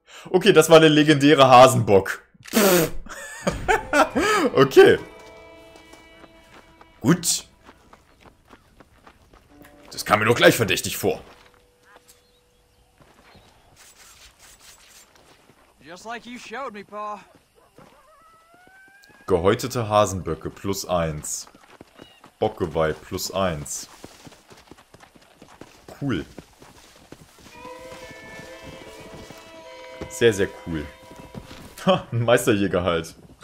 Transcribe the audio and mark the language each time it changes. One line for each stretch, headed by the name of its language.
German: Okay, das war der legendäre Hasenbock. Okay. Gut. Das kam mir doch gleich verdächtig vor.
English: Just like you showed me, Pa.
German: Gehäutete Hasenböcke plus 1. Bockgeweih plus 1. Cool. Sehr, sehr cool. Ha, ein Meisterjäger halt.